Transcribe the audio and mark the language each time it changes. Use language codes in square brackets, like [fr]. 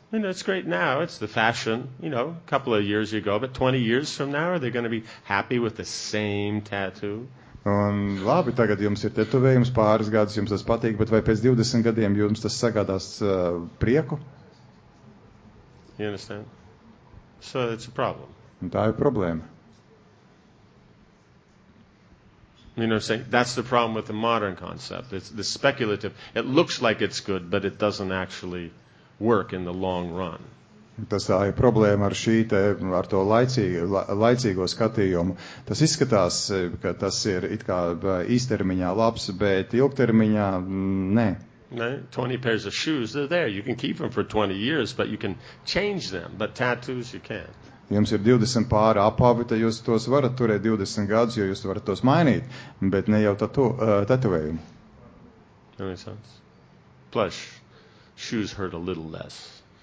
[en] You know, it's great now, it's the fashion, you know, a couple of years ago, but 20 years from now, are they going to be happy with the same tattoo? [lv] Un labi, tagad jums ir tetovējums, pāris gadus jums tas patīk, bet vai pēc 20 gadiem jums tas sagādās prieku? [en] You understand? So it's a problem. [lv] Un tā ir problēma. [en] You know, saying that's the problem with the modern concept. It's the speculative. It looks like it's good, but it doesn't actually work in the long run. [lv] Tas tā ir problēma ar šī te, ar to laicīgo skatījumu. Tas izskatās, ka tas ir it kā īstermiņā labs, bet ilgtermiņā nē. [en] 20 pairs of shoes, they're there. You can keep them for 20 years, but you can change them. But tattoos, you can't. [lv] Jums ir 20 pāri apavi, tad jūs tos varat turēt 20 gadus, jo jūs varat tos mainīt, bet ne jau tetovējumu. [en] Any sense? Plus, shoes hurt a little less.